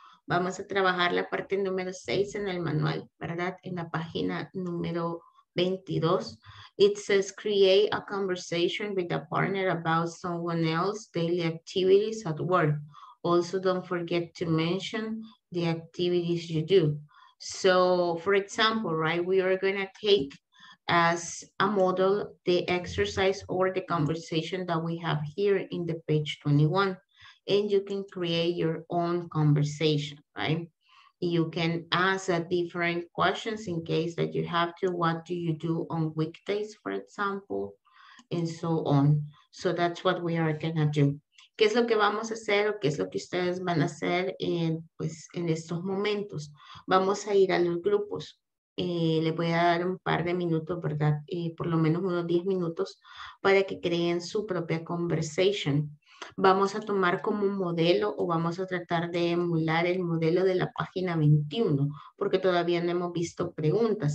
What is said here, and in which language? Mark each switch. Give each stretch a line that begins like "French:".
Spanish: Vamos a trabajar la parte número 6 en el manual, ¿verdad? En la página número 22.
English: It says create a conversation with a partner about someone else's daily activities at work Also, don't forget to mention the activities you do. So, for example, right, we are going to take as a model the exercise or the conversation that we have here in the page 21. And you can create your own conversation, right? You can ask different questions in case that you have to. What do you do on weekdays, for example, and so on. So that's what we are going to do.
Spanish: ¿Qué es lo que vamos a hacer o qué es lo que ustedes van a hacer en, pues, en estos momentos? Vamos a ir a los grupos. Les voy a dar un par de minutos, ¿verdad? Por lo menos unos 10 minutos para que creen su propia conversation. Vamos a tomar como un modelo o vamos a tratar de emular el modelo de la página 21, porque todavía no hemos visto preguntas.